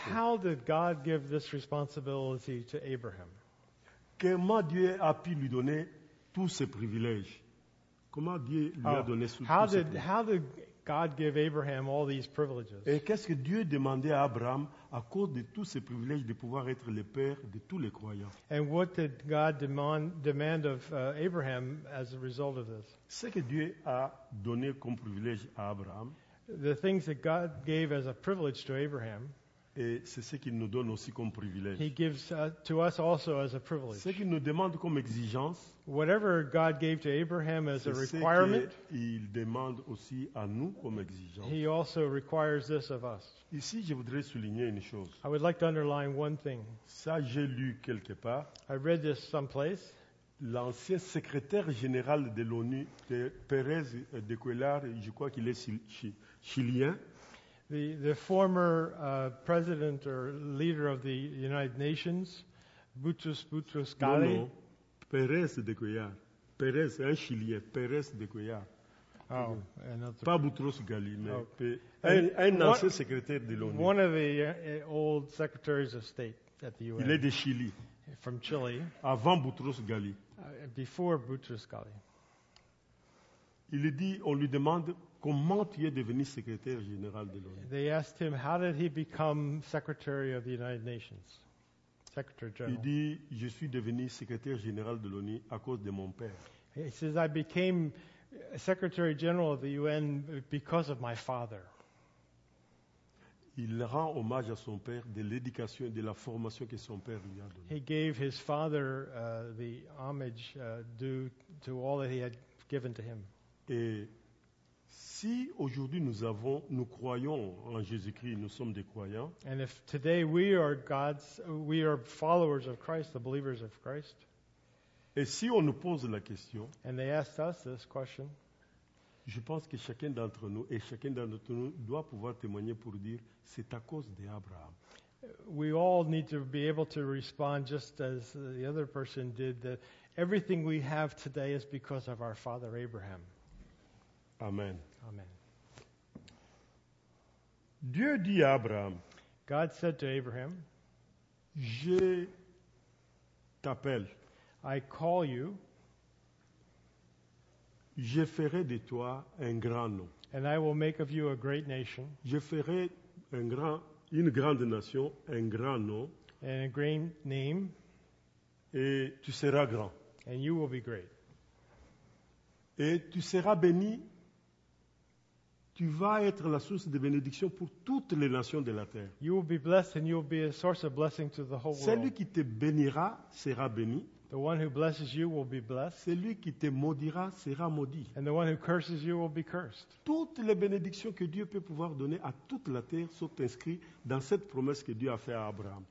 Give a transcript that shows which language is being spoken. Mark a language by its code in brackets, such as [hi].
[en] And how did God give this responsibility to Abraham? [fr] Comment Dieu a pu lui donner tous ces privilèges? Comment Dieu lui a donné tous ces privilèges? [en] How did God give Abraham all these privileges? [fr] Et qu'est-ce que Dieu demandait à Abraham à cause de tous ces privilèges de pouvoir être le père de tous les croyants? [en] And what did God demand of Abraham as a result of this? [fr] Ce que Dieu a donné comme privilège à Abraham, [en] the things that God gave as a privilege to Abraham, [fr] et c'est ce qu'il nous donne aussi comme privilège. [en] He gives to us also as a privilege. [fr] Ce qu'il nous demande comme exigence, [en] whatever God gave to Abraham as a requirement, [fr] il demande aussi à nous comme exigence. [en] He also requires this of us. [fr] Ici, je voudrais souligner une chose. [en] I would like to underline one thing. [fr] Ça, j'ai lu quelque part. [en] I read this someplace. [fr] L'ancien secrétaire général de l'ONU, Pérez de Cuellar, je crois qu'il est chilien. [en] The former president or leader of the United Nations, Boutros Ghali. No, [fr] Pérez de Cuellar. Pérez, un Chilien. Pérez de Cuellar. [en] Oh, another. [fr] Pas Boutros Ghali, mais un ancien secrétaire de l'ONU. [en] One of the old secretaries of state at the UN. [fr] Il est de Chili. [en] From Chile. [fr] Avant Boutros Ghali. [en] Before Boutros Ghali. [fr] Il dit, on lui demande, comment tu es devenu secrétaire général de l'ONU? [en] They asked him, how did he become secretary of the United Nations? Secretary General. [fr] Il dit, je suis devenu secrétaire général de l'ONU à cause de mon père. [en] He says, I became secretary general of the UN because of my father. [fr] Il rend hommage à son père de l'éducation et de la formation que son père lui a donnée. [en] He gave his father the homage due to all that he had given to him. [fr] Et si aujourd'hui nous croyons en Jésus-Christ, nous sommes des croyants. [en] And if today we are followers of Christ, the believers of Christ. [fr] Et si on nous pose la question. [en] And they asked us this question. [fr] Je pense que chacun d'entre nous et chacun d'entre nous doit pouvoir témoigner pour dire c'est à cause d'Abraham. [en] We all need to be able to respond just as the other person did that everything we have today is because of our father Abraham. Amen. Amen. [fr] Dieu dit à Abraham, [en] God said to Abraham, [fr] je t'appelle. [en] I call you. [fr] Je ferai de toi un grand nom. [en] And I will make of you a great nation. [fr] Je ferai une grande nation, un grand nom. [en] And a great name. [fr] Et tu seras grand. [en] And you will be great. [fr] Et tu seras béni. Tu vas être la source de bénédiction pour toutes les nations de la terre. [en] You will be blessed and you will be a source of blessing to the whole world. [fr] Celui qui te bénira sera béni. [en] The one who blesses you will be blessed. [fr] Celui qui te maudira sera maudit. [en] And the one who curses you will be cursed. [fr] Toutes les bénédictions que Dieu peut pouvoir donner à toute la terre sont inscrites dans cette promesse que Dieu a faite à Abraham.